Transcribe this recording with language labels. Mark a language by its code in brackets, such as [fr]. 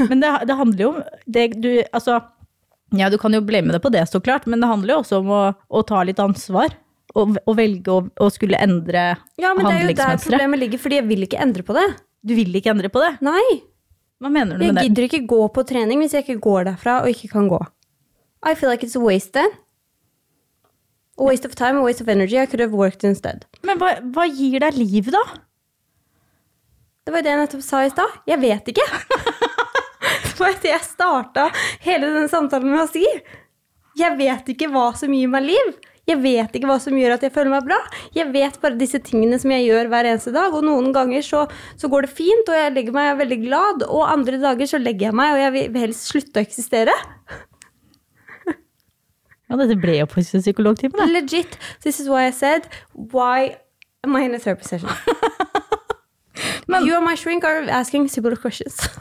[no] Men det handler jo om, det, du, altså, ja, du kan jo blame deg på det så klart, men det handler jo også om å ta litt ansvar. Og velge å skulle endre handlingsmønstret. Ja, men det jo der problemet ligger, fordi jeg vil ikke endre på det. Du vil ikke endre på det? Nei. Hva mener du jeg med det? Jeg gidder ikke gå på trening hvis jeg ikke går derfra og ikke kan gå. [en] I feel like it's wasted. A waste of time, a waste of energy. I could have worked instead. [no] Men hva gir deg liv da? Det var det jeg nettopp sa I sted. Jeg vet ikke. For at jeg startet hele den samtalen med å si. Jeg vet ikke hva som gir meg liv. Jeg vet ikke hva som gjør at jeg føler meg bra. Jeg vet bare disse tingene som jeg gjør hver eneste dag, og noen ganger så går det fint, og jeg legger meg veldig glad, og andre dager så legger jeg meg, og jeg vil helst slutte å eksistere. Ja, dette ble jo på en psykologtime, da. [en] Legit, this is why I said, why am I in a therapy session? Men, you and my shrink are asking simple questions.